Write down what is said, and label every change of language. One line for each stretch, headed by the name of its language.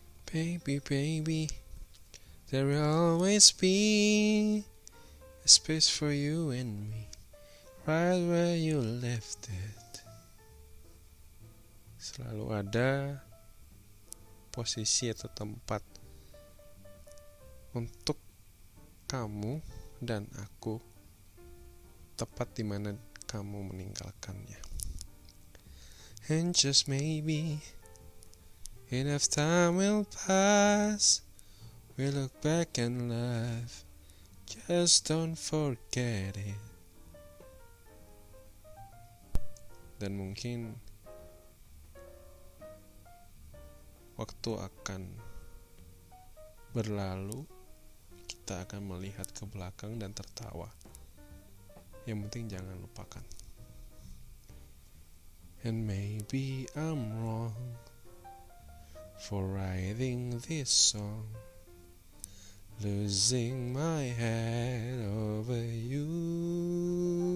English: Baby, baby, there will always be a space for you and me, right where you left it.
Indonesian: Selalu ada posisi atau tempat untuk kamu dan aku, tepat di mana kamu meninggalkannya.
English: And just maybe enough time will pass, we look back and laugh, just don't forget it.
Indonesian: Dan mungkin waktu akan berlalu, kita akan melihat ke belakang dan tertawa. Yang penting jangan lupakan.
English: And maybe I'm wrong for writing this song, losing my head over you.